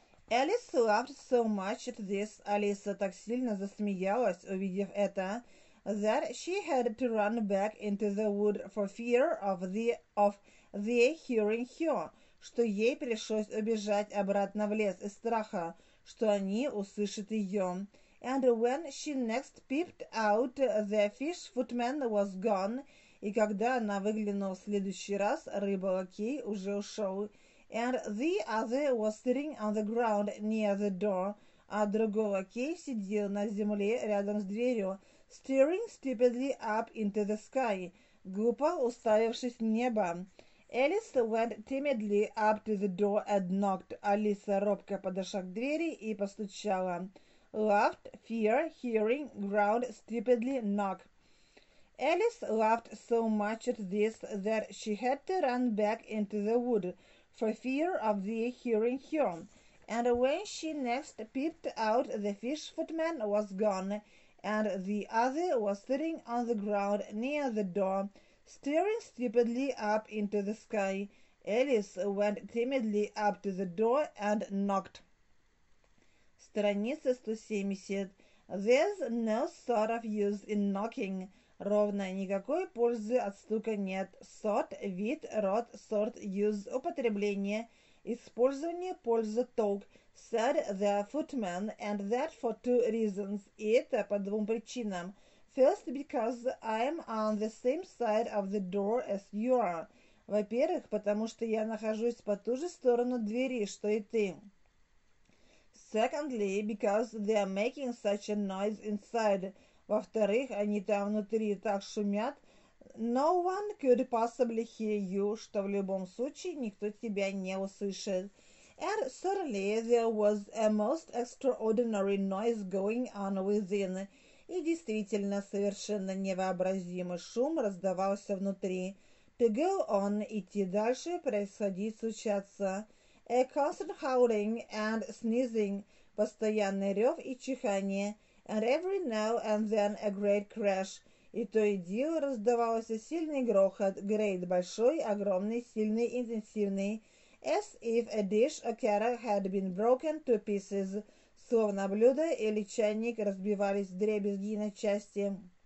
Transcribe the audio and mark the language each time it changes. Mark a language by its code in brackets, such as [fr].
[en] Alice laughed so much at this, [ru] Алиса так сильно засмеялась, увидев это, [en] that she had to run back into the wood for fear of the hearing her, [ru] что ей пришлось убежать обратно в лес из страха, что они услышат ее. [en] And when she next peeped out, the fish footman was gone. [ru] И когда она выглянула в следующий раз, рыба-лакей уже ушел. [en] And the other was sitting on the ground near the door. [ru] А другой лакей сидел на земле рядом с дверью, [en] staring stupidly up into the sky, [ru] глупо уставившись в небо. [en] Alice went timidly up to the door and knocked. [ru] Алиса робко подошла к двери и постучала. [en] Laughed, fear, hearing, ground, stupidly, knock. Alice laughed so much at this that she had to run back into the wood for fear of the hearing her. And when she next peeped out, the fish footman was gone, and the other was sitting on the ground near the door, staring stupidly up into the sky. Alice went timidly up to the door and knocked. [ru] Страница 170. [en] There's no sort of use in knocking. [ru] Ровно никакой пользы от стука нет. Sort, вид, род, sort, use, употребление, использование, польза, толк. [en] Said the footman, and that for two reasons. [ru] И это по двум причинам. [en] First, because I'm on the same side of the door as you are. [ru] Во-первых, потому что я нахожусь по ту же сторону двери, что и ты. [en] Secondly, because they are making such a noise inside. [ru] Во-вторых, они там внутри так шумят. [en] No one could possibly hear you, [ru] что в любом случае никто тебя не услышит. [en] And certainly there was a most extraordinary noise going on within. [ru] И действительно, совершенно невообразимый шум раздавался внутри. To go on, идти дальше, происходить, случаться. [en] A constant howling and sneezing, [ru] постоянный рев и чихание, [en] and every now and then a great crash, [ru] и то и дело раздавался сильный грохот, [en] great, [ru] большой, огромный, сильный, интенсивный, [en] as if a dish or kettle had been broken to pieces, [ru] словно блюдо или чайник разбивались в дребезги на части.